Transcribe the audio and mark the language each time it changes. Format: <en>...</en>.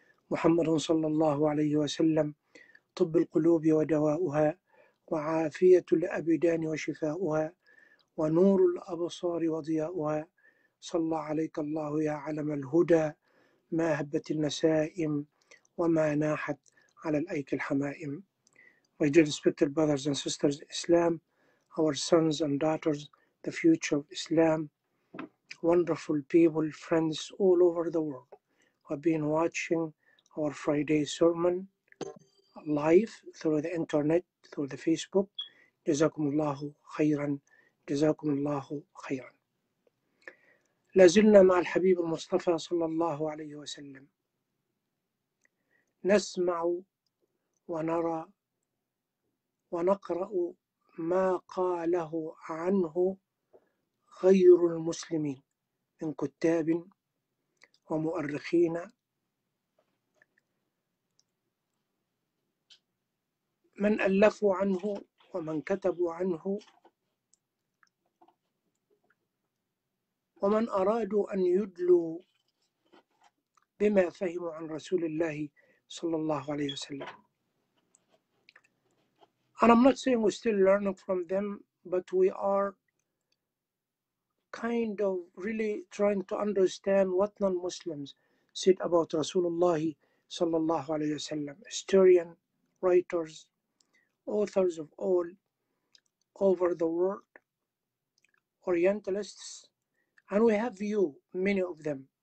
<ar>محمد صلى الله عليه وسلم طب القلوب ودواؤها، وعافية الأبدان وشفاؤها، ونور الأبصار وضياؤها. صلى عليك الله يا علم الهدى، ما هبت النسائم وما ناحت على الأيك الحمائم.</ar> <en>My dear respected brothers and sisters in Islam, our sons and daughters, the future of Islam, wonderful people, friends all over the world who have been watching our Friday sermon live through the internet, through the Facebook.</en> <ar>جزاكم الله خيرا، جزاكم الله خيرا. لازلنا مع الحبيب المصطفى صلى الله عليه وسلم، نسمع ونرى ونقرأ ما قاله عنه غير المسلمين من كتاب ومؤرخين، من ألفوا عنه ومن كتبوا عنه ومن أرادوا أن يدلوا بما فهموا عن رسول الله صلى الله عليه وسلم.</ar> <en>And I'm not saying we're still learning from them, but we are kind of really trying to understand what non-Muslims said about Rasulullah sallallahu alayhi wa sallam. Historian, writers, authors of all over the world, Orientalists, and we have you, many of them.</en>